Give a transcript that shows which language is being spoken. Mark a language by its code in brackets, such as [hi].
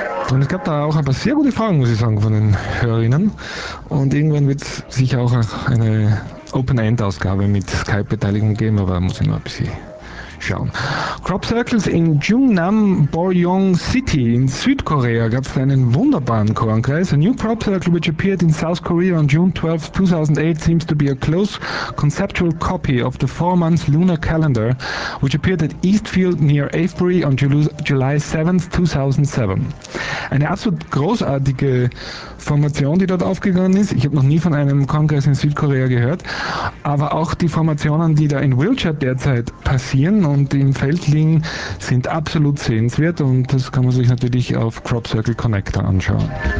[de] Und es gab da auch ein paar sehr gute Fragen, muss ich sagen, von den Hörerinnen. Und irgendwann wird es sicher auch eine Open-End-Ausgabe mit Skype-Beteiligung geben, aber muss ich noch ein bisschen schauen. Crop Circles in Jungnam Boryong City in Südkorea gab es einen wunderbaren Kornkreis. [en] A new crop circle which appeared in South Korea on June 12, 2008 seems to be a close conceptual copy of the 4-month lunar calendar which appeared at Eastfield near Avebury on July 7, 2007. [de] Eine absolut großartige Formation, die dort aufgegangen ist. Ich habe noch nie von einem Kongress in Südkorea gehört, aber auch die Formationen, die da in Wiltshire derzeit passieren und im Feld liegen, sind absolut sehenswert und das kann man sich natürlich auf Crop Circle Connector anschauen.